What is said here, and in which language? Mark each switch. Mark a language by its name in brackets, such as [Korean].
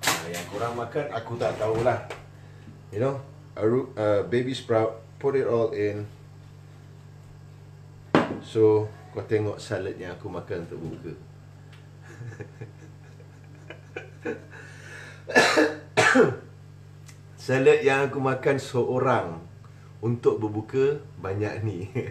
[Malay] Yang korang makan, aku tak tahulah. [English] You know, baby sprout, put it all in. [Malay] So, kau tengok salad yang aku makan untuk buka. Salad yang aku makan seorang untuk berbuka banyak ni.